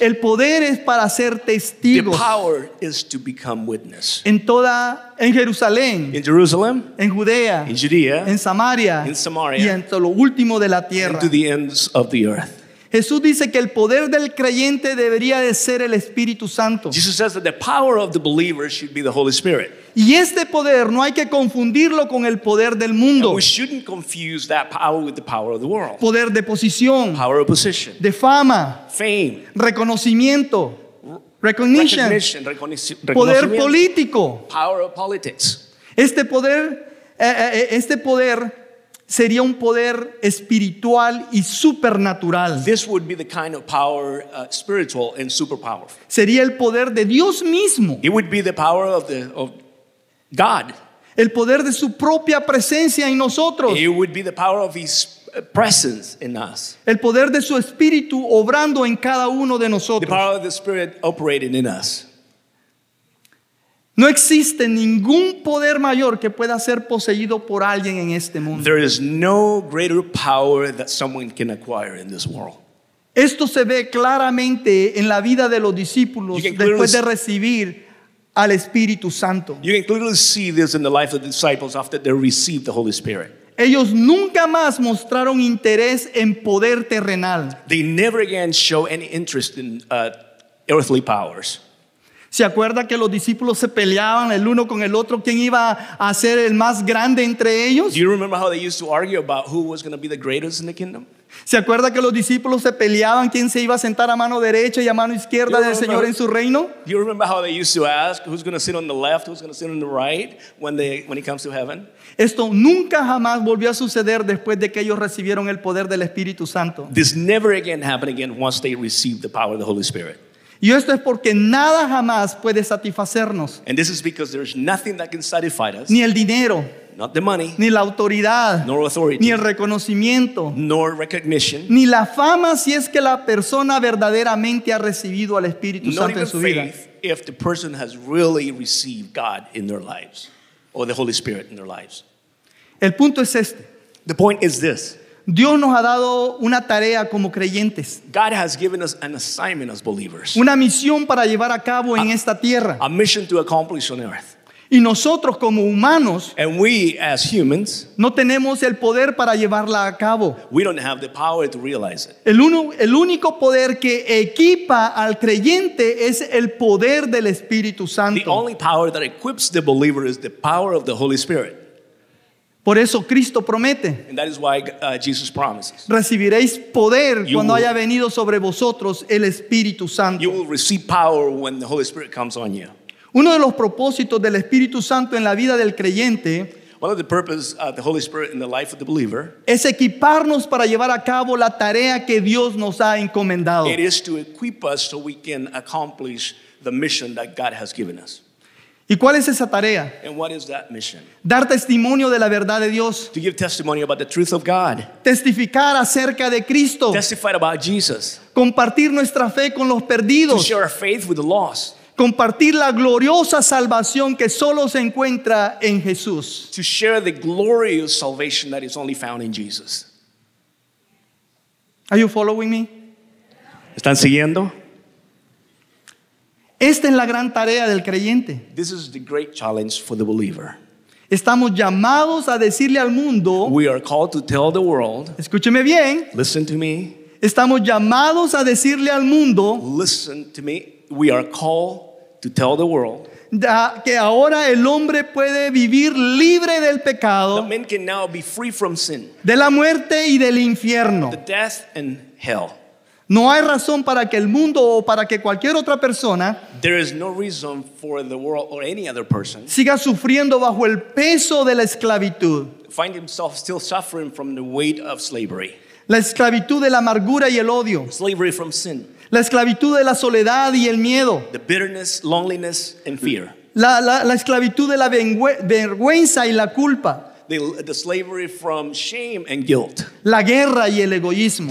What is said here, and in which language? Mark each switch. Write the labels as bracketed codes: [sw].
[es] El poder es para ser testigos. [en] The power is to become witness. [es] En toda, en Jerusalén. [en] In Jerusalem. [es] En Judea. [en] In Judea. [es] En Samaria. [en] In Samaria. [es] Y en todo lo último de la tierra. [en] And to the ends of the earth. [es] Jesús dice que el poder del creyente debería de ser el Espíritu Santo. [en] Jesus says that the power of the believer should be the Holy Spirit. [es] Y este poder no hay que confundirlo con el poder del mundo. [en] And we shouldn't confuse that power with the power of the world. [es] Poder de posición. [en] Power of position. [es] De fama. [en] Fame. [es] Reconocimiento. Recognition. [en] Recognition. Reconocimiento. [es] Poder político. [en] Power of politics. [es] Este poder sería un poder espiritual y supernatural. [en] This would be the kind of power, spiritual and super powerful. [es] Sería el poder de Dios mismo. [en] It would be the power of God. [es] El poder de su propia presencia en nosotros. [en] It would be the power of his presence in us. [es] El poder de su espíritu obrando en cada uno de nosotros. [en] The power of the spirit operating in us. [es] No existe ningún poder mayor que pueda ser poseído por alguien en este mundo. [en] There is no greater power that someone can acquire in this world. [es] Esto se ve claramente en la vida de los discípulos después de recibir al Espíritu Santo. [en] You can clearly see this in the life of the disciples after they received the Holy Spirit. [es] Ellos nunca más mostraron interés en poder terrenal. [en] They never again show any interest in earthly powers. [es] ¿Se acuerda que los discípulos se peleaban el uno con el otro quién iba a ser el más grande entre ellos? [en] Do you remember how they used to argue about who was going to be the greatest in the kingdom? [es] ¿Se acuerda que los discípulos se peleaban quién se iba a sentar a mano derecha y a mano izquierda del Señor en su reino? [en] Do you remember how they used to ask who's going to sit on the left, who's going to sit on the right when it comes to heaven? [es] Esto nunca jamás volvió a suceder después de que ellos recibieron el poder del Espíritu Santo. [en] This never again happened again once they received the power of the Holy Spirit. [es] Y esto es porque nada jamás puede satisfacernos. [en] And this is because there is nothing that can satisfy us. [es] Ni el dinero. [en] Not the money. [es] Ni la autoridad. [en] Nor authority. [es] Ni el reconocimiento. [en] Nor recognition. [es] Ni la fama si es que la persona verdaderamente ha recibido al Espíritu Santo en su vida. [en] Not even faith if the person has really received God in their lives. Or the Holy Spirit in their lives. [es] El punto es este. [en] The point is this. [es] Dios nos ha dado una tarea como creyentes. [en] God has given us an assignment as believers. [es] Una misión para llevar a cabo en esta tierra. [en] A mission to accomplish on earth. [es] Y nosotros como humanos. [en] And we as humans. [es] No tenemos el poder para llevarla a cabo. [en] We don't have the power to realize it. [es] El único poder que equipa al creyente es el poder del Espíritu Santo. [en] The only power that equips the believer is the power of the Holy Spirit. [es] Por eso Cristo promete. [en] And that is why Jesus promises. [es] Recibiréis poder cuando haya venido sobre vosotros el Espíritu Santo. [en] You will receive power when the Holy Spirit comes on you. [es] Uno de los propósitos del Espíritu Santo en la vida del creyente. [en] One of the purposes of the Holy Spirit in the life of the believer. [es] Es equiparnos para llevar a cabo la tarea que Dios nos ha encomendado. [en] It is to equip us so we can accomplish the mission that God has given us. [es] ¿Y cuál es esa tarea? [en] And what is that mission? [es] Dar testimonio de la verdad de Dios. [en] To give testimony about the truth of God. [es] Testificar acerca de Cristo. [en] Testify about Jesus. [es] Compartir nuestra fe con los perdidos. [en] To share our faith with the lost. [es] Compartir la gloriosa salvación que solo se encuentra en Jesús. [en] To share the glorious salvation that is only found in Jesus. Are you following me? [es] ¿Están siguiendo? Esta es la gran tarea del creyente. [en] This is the great challenge for the believer. [es] Estamos llamados a decirle al mundo. [en] We are called to tell the world. [es] Escúcheme bien. [en] Listen to me. [es] Estamos llamados a decirle al mundo. [en] Listen to me. We are called to tell the world. [es] que ahora el hombre puede vivir libre del pecado, [en] the men can now be free from sin, [es] de la muerte y del infierno. [en] The death and hell. [es] No hay razón para que el mundo o para que cualquier otra persona, [en] there is no reason for the world or any other person, [es] siga sufriendo bajo el peso de la esclavitud, [en] find himself still suffering from the weight of slavery, [es] la esclavitud de la amargura y el odio, [en] slavery from sin, [es] la esclavitud de la soledad y el miedo, [en] the bitterness, loneliness and fear, [es] la esclavitud de la vergüenza y la culpa, [en] the slavery from shame and guilt, [es] la guerra y el egoísmo,